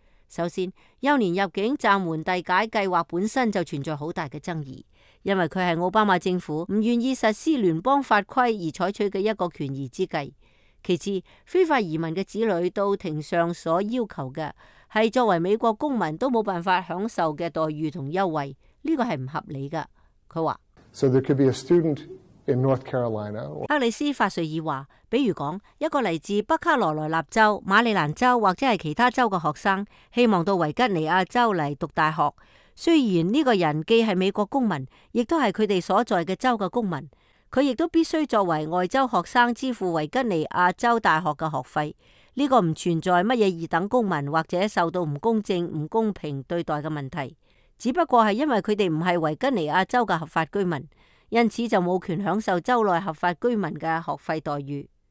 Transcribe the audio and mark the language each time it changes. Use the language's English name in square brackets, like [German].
[Cantonese] 首先幼年入境暂缓递解计划本身就存在很大的争议，因为它是奥巴马政府不愿意实施联邦法规而采取的一个权宜之计。其次，非法移民的子女到庭上所要求的是作为美国公民都没办法享受的待遇和优惠，这个是不合理的。他说 [English] So there could be a student in North Carolina. [Cantonese] 克里斯法瑞尔说，比如说一个来自北卡罗来纳州、马里兰州或者是其他州的学生希望到维吉尼亚州来读大学，虽然这个人既是美国公民亦都是他们所在的州的公民，他亦都必须作为外州学生支付维吉尼亚州大学的学费，这个不存在什么二等公民或者受到不公正不公平对待的问题，只不过是因为他们不是维吉尼亚州的合法居民，因此就没权享受州内合法居民的学费待遇。